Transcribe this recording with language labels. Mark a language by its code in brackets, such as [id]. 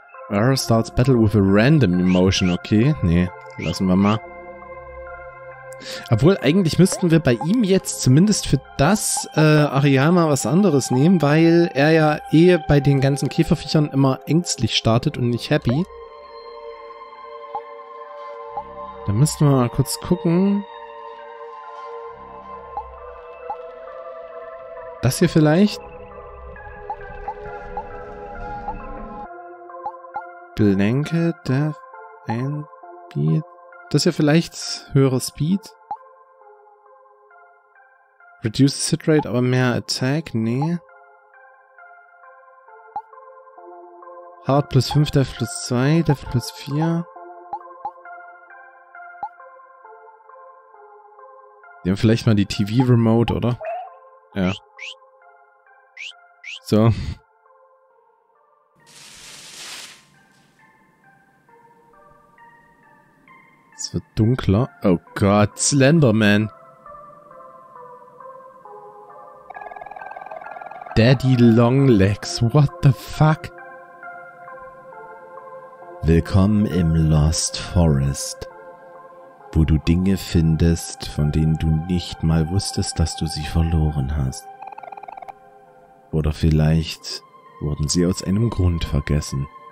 [en] Arrow starts battle with a random emotion. [de] Okay, nee. Lassen wir mal. Obwohl, eigentlich müssten wir bei ihm jetzt zumindest für das Areal mal was anderes nehmen, weil er ja eh bei den ganzen Käferviechern immer ängstlich startet und nicht happy. Da müssten wir mal kurz gucken. Das hier vielleicht? [en] Blanket, Death, and Speed. [de] Das hier vielleicht höhere Speed? [en] Reduces Hit Rate, [de] aber mehr [en] Attack? [de] Nee. [en] Hard plus 5, Death plus 2, Death plus 4. [de] Wir haben vielleicht mal die TV-Remote, oder? Ja. So. Das wird dunkler. Oh Gott, Slenderman. [en] Daddy Longlegs, what the fuck? [de] Willkommen im Lost Forest, wo du Dinge findest, von denen du nicht mal wusstest, dass du sie verloren hast. Oder vielleicht wurden sie aus einem Grund vergessen.